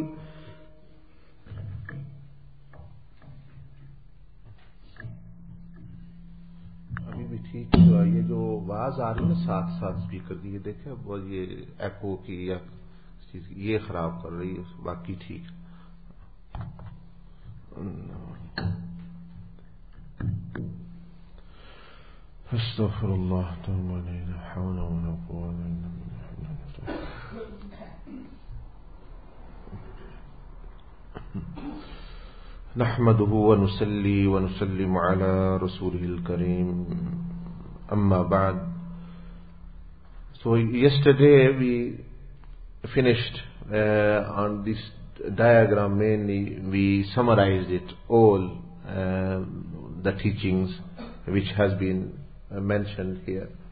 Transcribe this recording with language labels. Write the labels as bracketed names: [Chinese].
[Urdu] ابھی بھی ٹھیک ہے، یہ جو آواز آ رہی ہے ساتھ ساتھ اسپیکر دی، یہ دیکھے وہ یہ ایکو کی یا چیز یہ خراب کر رہی ہے، باقی ٹھیک. [Arabic] استغفر الله تعالى لا حول ولا قوة إلا بالله. نحمده ونصلي ونسلم على رسوله الكريم، أما بعد. [English] So yesterday we finished on this diagram, mainly we summarized it all, the teachings which has been mentioned here.